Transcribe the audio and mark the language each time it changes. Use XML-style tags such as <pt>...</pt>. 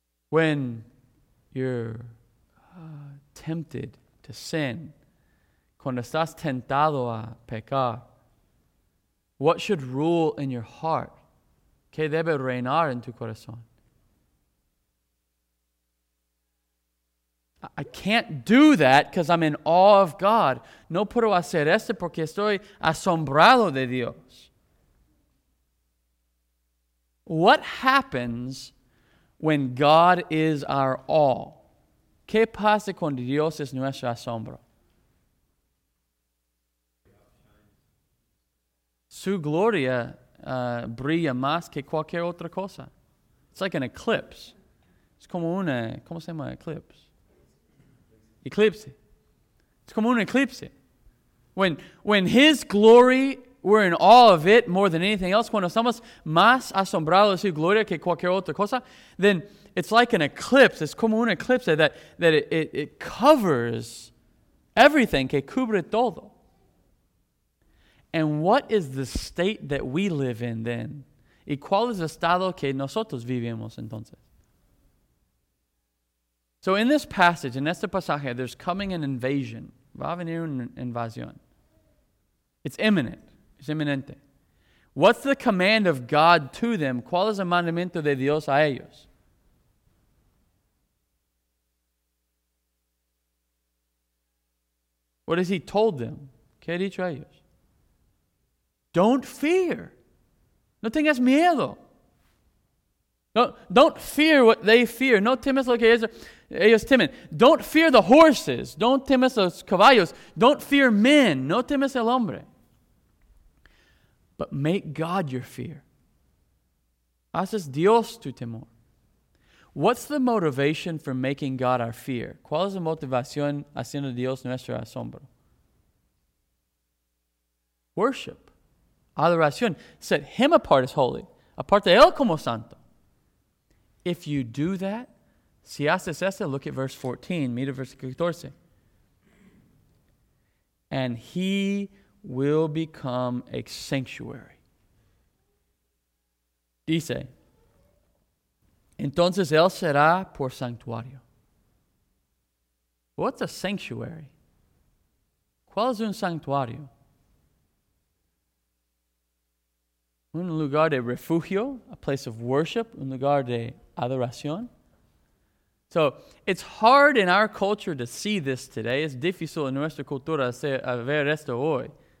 <en>When you're tempted to sin,</en> <es>cuando estás tentado a pecar,</es> <en>what should rule in your heart?</en> <es>¿Qué debe reinar en tu corazón?</es> <en>I can't do that because I'm in awe of God.</en> <es>No puedo hacer esto porque estoy asombrado de Dios.</es> <en>What happens when God is our awe?</en> <es>¿Qué pasa cuando Dios es nuestro asombro? Su gloria brilla más que cualquier otra cosa.</es> <en>It's like an eclipse.</en> <es>Es como una, ¿cómo se llama eclipse? Eclipse. It's como un eclipse.</es> <en>When His glory, we're in awe of it more than anything else,</en> <es>cuando estamos más asombrados de su gloria que cualquier otra cosa,</es> <en>then it's like an eclipse. It's</en> <es>como un eclipse</es> <en>that it covers everything.</en> <es>Que cubre todo.</es> <en>And what is the state that we live in then?</en> <es>¿Y cuál es el estado que nosotros vivimos entonces?</es> <en>So in this passage, in</en> <es>este pasaje,</es> <en>there's coming an invasion.</en> <es>Va a venir una invasión.</es> <en>It's imminent.</en> <es>Es inminente.</es> <en>What's the command of God to them?</en> <es>¿Cuál es el mandamiento de Dios a ellos?</es> <en>What has he told them?</en> <es>¿Qué ha dicho a ellos?</es> <en>Don't fear.</en> <es>No tengas miedo.</es> <en>Don't fear what they fear.</en> <es>No temas lo que ellos temen.</es> <en>Don't fear the horses. Don't</en> <es>temas los caballos.</es> <en>Don't fear men.</en> <es>No temas el hombre.</es> <en>But make God your fear.</en> <es>Haces Dios tu temor.</es> <en>What's the motivation for making God our fear?</en> <es>¿Cuál es la motivación haciendo Dios nuestro asombro?</es> <en>Worship. Adoración. Set him apart as holy.</en> <es>Aparte él como santo.</es> <en>If you do that,</en> <es>si haces eso,</es> <en>look at verse 14,</en> <es>mira verse 14.</es> <en>And he will become a sanctuary.</en> <es>Dice, entonces él será por santuario.</es> <en>What's a sanctuary?</en> <es>¿Cuál es un santuario? Un lugar de refugio,</es> <en>a place of worship,</en> <es>un lugar de adoración.</es> <en>So, it's hard in our culture to see this today.</en> <es>Es difícil en nuestra cultura ver esto hoy.</es>